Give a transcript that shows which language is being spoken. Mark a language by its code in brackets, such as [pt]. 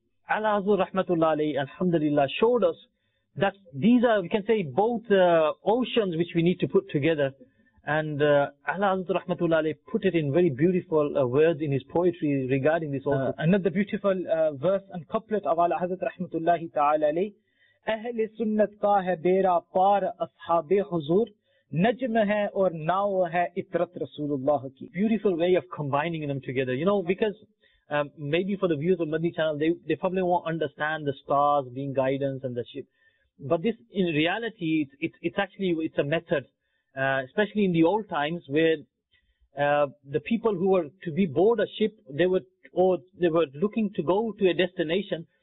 [en] Ala Hazrat Rahmatullah Alayhi, alhamdulillah, showed us that these are, we can say, both oceans which we need to put together. And Ala Hazrat Rahmatullah Alayhi put it in very beautiful words in his poetry regarding this also. Another beautiful verse and couplet of Ala Hazrat Rahmatullah Ta'ala Alayhi. [ur] اہل سنت کا ہے بیرا پار اصحاب حضور نجم ہے اور now ہے اطرت رسول اللہ کی. [en] Beautiful way of combining them together, you know, because maybe for the viewers of Madni channel, they probably won't understand the stars being guidance and the ship, but this in reality it's actually a method, especially in the old times where the people who were to be board a ship, they were looking to go to a destination.